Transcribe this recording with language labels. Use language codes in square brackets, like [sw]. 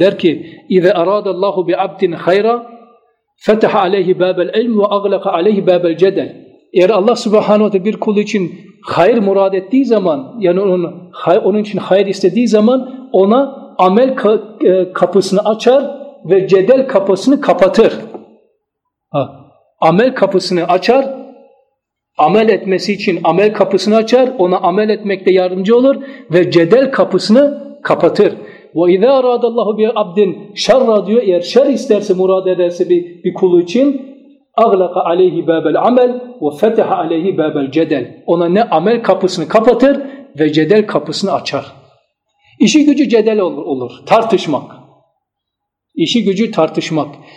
[tr] Der ki, [ar] اِذَا اَرَادَ اللّٰهُ بِعَبْدٍ خَيْرًا فَتَحَ عَلَيْهِ بَابَ الْاَلْمُ وَاَغْلَقَ عَلَيْهِ بَابَ الْجَدَلِ [tr] Eğer Allah Subhanahu Teala bir kulu için hayır murad ettiği zaman, yani onun için hayır istediği zaman ona amel kapısını açar ve cedel kapısını kapatır. Ha. Amel kapısını açar, amel etmesi için amel kapısını açar, ona amel etmekte yardımcı olur ve cedel kapısını kapatır. [ar] وَاِذَا اَرَادَ اللّٰهُ بِعَبْدٍ شَرَّ [tr] diyor. Eğer şer isterse, murad ederse bir kulu için, [ar] اَغْلَقَ عَلَيْهِ بَابَ الْعَمَلِ وَفَتَحَ عَلَيْهِ بَابَ الْجَدَلِ. [tr] Ona ne amel kapısını kapatır ve cedel kapısını açar. İşi gücü cedel olur. Tartışmak. İşi gücü tartışmak.